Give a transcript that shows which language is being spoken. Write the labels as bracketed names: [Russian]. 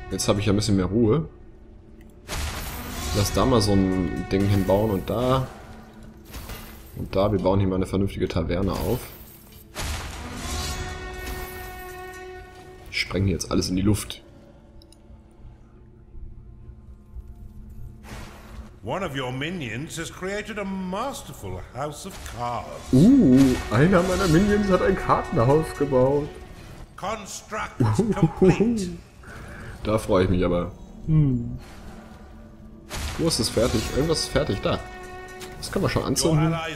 [German] Jetzt habe ich ja ein bisschen mehr Ruhe. Lass da mal so ein Ding hinbauen und da. Und da, wir bauen hier mal eine vernünftige Taverne auf. Ich spreng hier jetzt alles in die Luft. [English] One of your minions has created a masterful house of cards. [German] Einer meiner Minions hat ein Kartenhaus gebaut. [English] Construct complete. [German] Da freue ich mich aber. Wo ist es fertig? Irgendwas ist fertig, da. Das können wir schon anzünden.